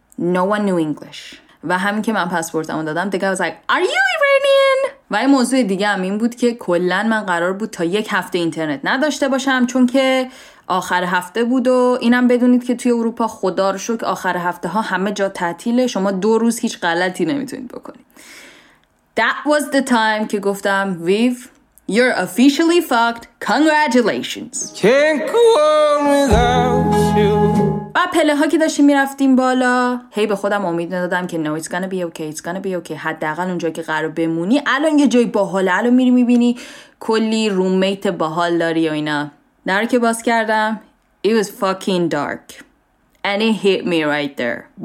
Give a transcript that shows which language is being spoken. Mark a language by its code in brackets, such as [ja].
[en] No one knew English. [fa] و همین که من پاسپورتمو دادم دیگه [en] I was like, are you Iranian? [fa] و یه موضوع دیگه هم این بود که کلن من قرار بود تا 1 هفته اینترنت نداشته باشم، چون که آخر هفته بود و اینم بدونید که توی اروپا خدا رو شکر آخر هفته ها همه جا تعطیله، شما 2 روز هیچ غلطی نمیتونید بکنید. [en] That was the time [fa] که گفتم [en] Viv, you're officially fucked. Congratulations. Can't go on without you. [fa] با پله ها که داشتیم میرفتیم بالا هی به خودم امید ندادم که [en] no it's gonna be okay [fa] it's gonna be okay، حداقل اونجا که قرار بمونی الان یه جای باحال الان میری میبینی کلی رومیت باحال داری و اینا. در که باز کردم [en] it was fucking dark and it hit me right there.